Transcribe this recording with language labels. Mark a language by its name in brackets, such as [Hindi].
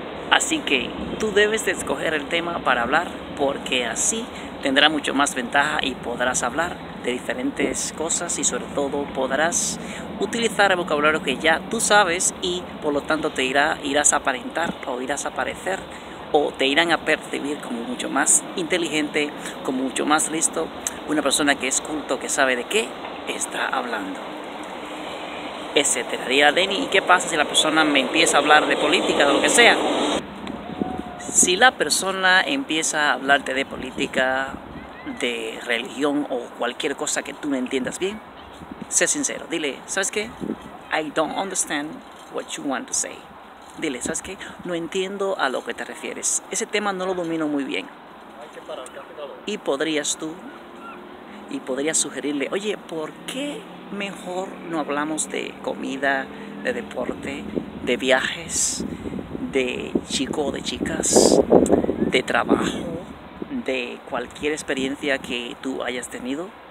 [Spanish] Así que tú debes de escoger el tema para hablar porque así tendrá mucho más ventaja y podrás hablar de diferentes cosas y sobre todo podrás utilizar el vocabulario que ya tú sabes y por lo tanto te irás a aparentar o irás a aparecer o te irán a percibir como mucho más inteligente, como mucho más listo, una persona que es culto, que sabe de qué está hablando, etcétera. Dirá Denny, ¿y qué pasa si la persona me empieza a hablar de política, de lo que sea? Si la persona empieza a hablarte de política, de religión o cualquier cosa que tú no entiendas bien, sé sincero. Dile, ¿sabes qué? [English] I don't understand what you want to say. [Spanish] Dile, ¿sabes qué? No entiendo a lo que te refieres. Ese tema no lo domino muy bien. Y podrías tú, y podrías sugerirle, oye, ¿por qué mejor no hablamos de comida, de deporte, de viajes, de chico o de chicas, de trabajo, de cualquier experiencia que tú hayas tenido?